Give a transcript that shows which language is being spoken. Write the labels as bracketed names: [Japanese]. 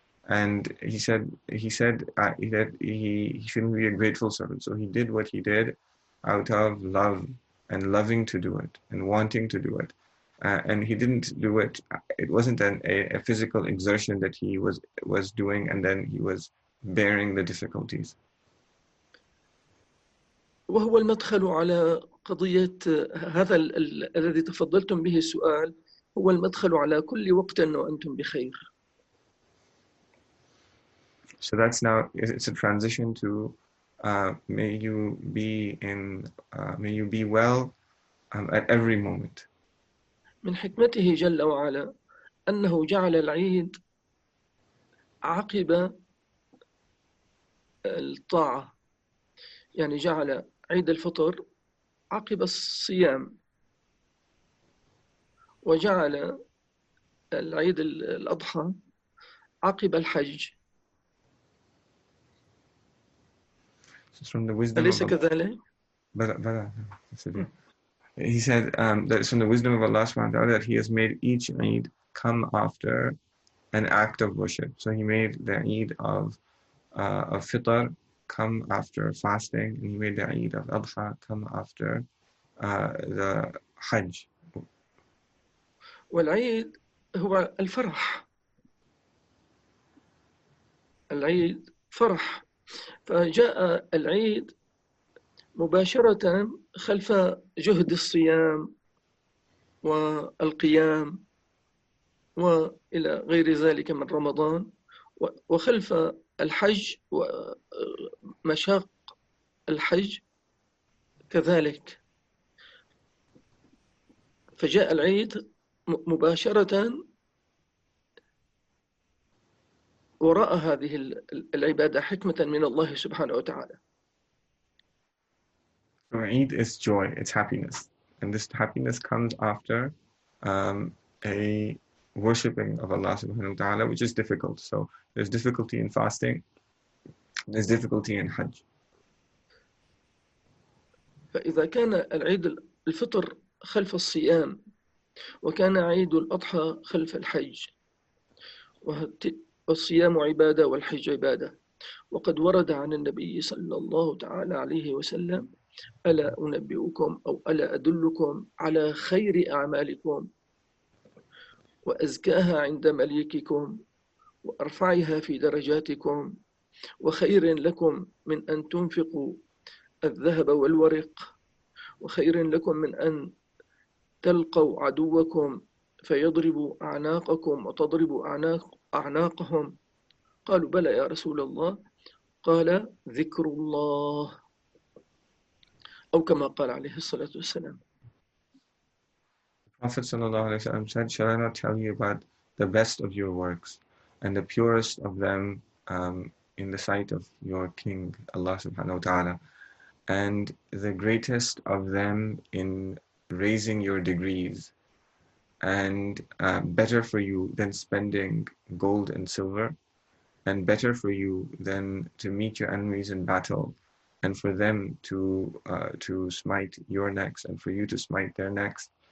[English] And he said he shouldn't be a grateful servant. So he did what he did out of love and loving to do it and wanting to do it. And he didn't do it. It wasn't a physical exertion that he was doing, and then he was bearing the difficulties. [Arabic] وهو المدخل على قضية هذا الذي تفضلتم به السؤال، هو المدخل على كل وقت وأنتم بخير. [English] So that's now, it's a transition to may you be may you be well at every moment. [Arabic] من حكمته جل وعلا أنه جعل العيد عقب الطاعة، يعني جعل عيد الفطر عقب الصيام، وجعل العيد الأضحى عقب الحج، أليس كذلك؟ بلى. [English] He said that it's from the wisdom of Allah subhanahu wa ta'ala that He has made each Eid come after an act of worship. So He made the Eid of Fitr come after fasting, and He made the Eid of Adha come after the Hajj. [Arabic] والعيد هو الفرح. العيد فرح. فجاء العيد مباشرة خلف جهد الصيام والقيام وإلى غير ذلك من رمضان، وخلف الحج ومشاق الحج كذلك. فجاء العيد مباشرة وراء هذه العبادة حكمة من الله سبحانه وتعالى. [English] So Eid is joy, it's happiness. And this happiness comes after a worshipping of Allah subhanahu wa ta'ala, which is difficult. So there's difficulty in fasting, there's difficulty in Hajj. [Arabic] فإذا كان العيد الفطر خلف الصيام، وكان عيد الأضحى خلف الحج، والصيام عبادة والحج عبادة، وقد ورد عن النبي صلى الله تعالى عليه وسلم: ألا أنبئكم أو ألا أدلكم على خير أعمالكم وأزكاها عند مليككم وأرفعها في درجاتكم وخير لكم من أن تنفقوا الذهب والورق وخير لكم من أن تلقوا عدوكم فيضربوا أعناقكم وتضربوا أعناقهم؟ قالوا: بلى يا رسول الله. قال: ذكر الله، أو كما قال عليه الصلاة والسلام. [English] The Prophet sallallahu alaihi wasallam said, "Shall I not tell you about the best of your works and the purest of them in the sight of your King Allah subhanahu wa ta'ala, and the greatest of them in raising your degrees, and better for you than spending gold and silver, and better for you than to meet your enemies in battle, and for them to smite your necks, and for you to smite their necks?"